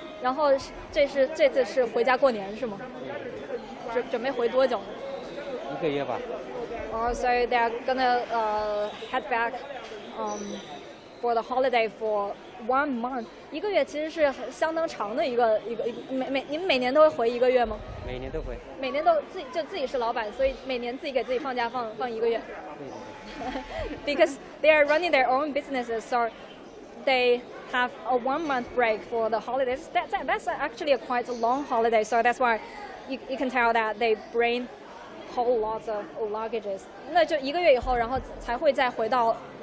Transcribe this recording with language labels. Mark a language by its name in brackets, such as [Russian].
[Chinese] 然后这次是回家过年是吗？准备回多久？一个月吧。 [English] So they're gonna head back, for the holiday for. One month, [Chinese] 一个月其实是相当长的一个你们每年都会回一个月吗？每年都回。每年都自己是老板，所以每年自己给自己放假放一个月。 [English] Because they are running their own businesses, so they have a 1 month break for the holidays. That's actually a quite long holiday, so that's why you can tell that they bring whole lots of luggages. [Chinese] 那就一个月以后，然后才会再回到